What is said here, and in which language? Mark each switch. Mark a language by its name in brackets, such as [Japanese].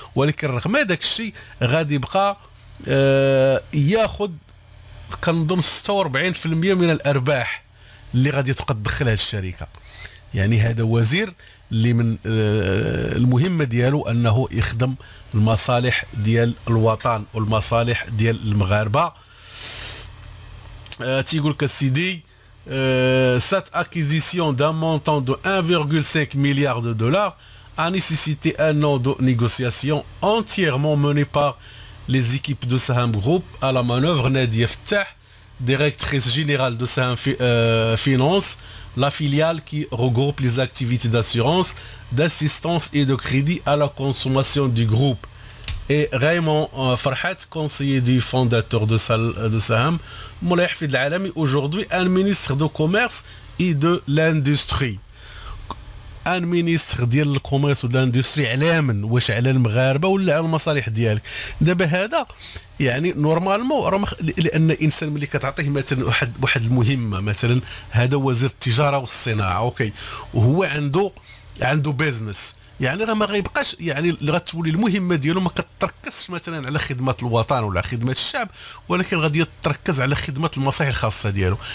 [Arabic] ولكن رغم داك الشيء غادي يبقى ياخذ كنظن 46% من الارباح اللي غادي تبقى تدخلها الشركه. يعني هذا وزير اللي من المهمه ديالو انه يخدم المصالح ديال الوطن والمصالح ديال المغاربه. تيقول لك السيدي [French] cette acquisition d'un montant de 1,5 milliard de dollars a nécessité un an de négociations entièrement menées par les équipes de Saham Group à la manœuvre Nadia Ftah, directrice générale de Saham Finance, la filiale qui regroupe les activités d'assurance, d'assistance et de crédit à la consommation du groupe, et Raymond Farhat, conseiller du fondateur de Saham. مولاي حفيظ العالمي اوجوردي ان مينيستر دو كوميرس اي دو لاندستري. [Arabic] ان مينيستر ديال الكوميرس ولا اندستري على من؟ واش على المغاربه ولا على المصالح ديالك؟ دابا هذا يعني نورمالمون راه لان الانسان ملي كتعطيه مثلا واحد المهمه، مثلا هذا وزير التجاره والصناعه، اوكي، وهو عنده بيزنس، يعني راه ما غيبقاش، يعني غتولي المهمه ديالو ما كتركزش مثلا على خدمه الوطن ولا خدمه الشعب، ولكن غادي تركز على خدمه المصالح الخاصه ديالو.